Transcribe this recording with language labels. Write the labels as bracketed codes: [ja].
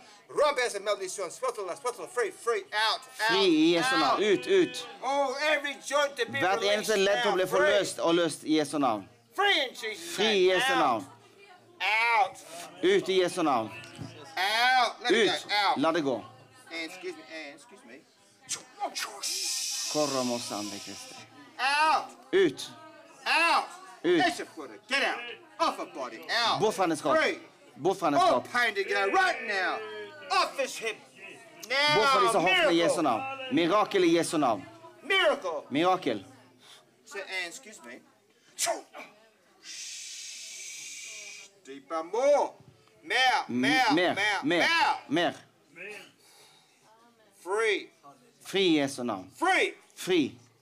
[en] Robes and Melissa, spotless, free, out. [no] Fri i Jesu navn, ut. [en] Oh, every joint to be released. [no] Hvert eneste ledd til å bli forløst og løst i Jesu navn. [en] Free in Jesus' name. [no] Fri i Jesu navn. [en] Out. [no] Ut i Jesu navn. [en] Out. [no] Ut. La det gå. [en] Excuse me. Koromos and the Christ. Out. [no] Ut. [en] Out. [no] Ut. [en] Get out. Off a body. Out. [no] Bort fra hennes kropp. Bort fra hennes kropp. [en] All pain to go right now. [no] Bort fra disse hoftene i Jesu navn. Mirakel i Jesu navn. [en] Miracle. [no] Mirakel. [en] So, and, excuse me. Deeper, more. [no] Mer. Fri i Jesu navn. Fri.